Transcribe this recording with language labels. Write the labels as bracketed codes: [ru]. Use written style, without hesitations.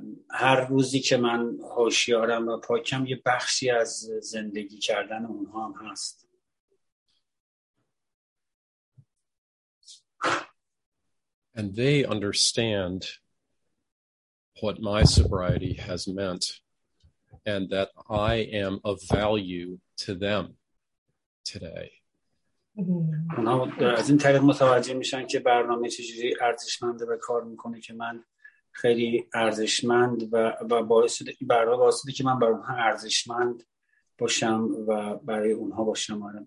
[fa] هر روزی که من هوشیارم و پاکم یه بخشی از زندگی کردن اونها هم هست. [en] And they understand what my sobriety has meant and that I am of value to them today. [fa] اونها از این طریق متوجه میشن که برنامه چجوری ارزشمنده و کار میکنه که من خیلی ارزشمند و باعث شده که من برای اونها ارزشمند باشم و برای اونها باشم